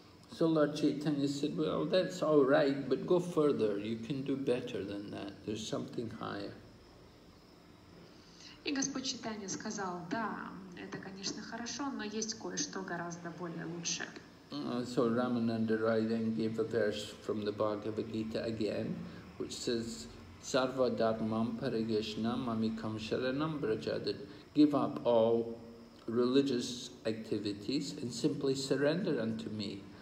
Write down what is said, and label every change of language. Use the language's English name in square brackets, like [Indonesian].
[English] So Lord Chaitanya said, well, that's all right, but go further. You can do better than that. There's something higher. [Russian] И Господь Читания сказал, да, это, конечно, хорошо, но есть кое-что гораздо более лучше. [English] So Ramananda Rai then gave a verse from the Bhagavad Gita again, which says, [Sanskrit] Sarva dharmam parigeshnam amikam sharanam braja, [English] that give up all religious activities and simply surrender unto me.